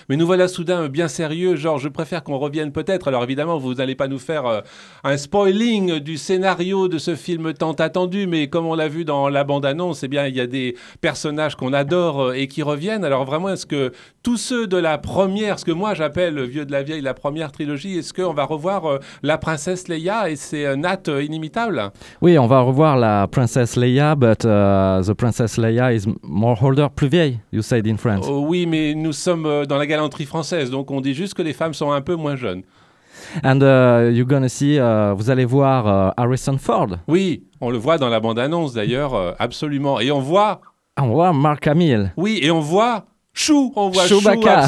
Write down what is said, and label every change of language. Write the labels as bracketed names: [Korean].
[French] Mais nous voilà soudain bien sérieux, genre je préfère qu'on revienne peut-être, alors évidemment vous n'allez pas nous faire un spoiling du scénario de ce film tant attendu, mais comme on l'a vu dans la bande-annonce, eh bien il y a des personnages qu'on adore et qui reviennent. Alors vraiment, est-ce que tous ceux de la première, ce que moi j'appelle le vieux de la vieille, la première trilogie, est-ce qu'on va revoir la princesse Leia et c'est Nat inimitable? Oui, on va revoir la princesse Leia, [English] but the princess Leia is more older, [French] plus vieille, [English] you said in France. [French] Oui, mais nous sommes dans la galanterie française, donc on dit juste que les femmes sont un peu moins jeunes. [English] And you're gonna see, [French] vous allez voir [English] Harrison Ford. [French] Oui, on le voit dans la bande-annonce d'ailleurs, absolument. Et on voit... On voit Mark Hamill. Oui, et on voit Chou, on voit Chewbacca.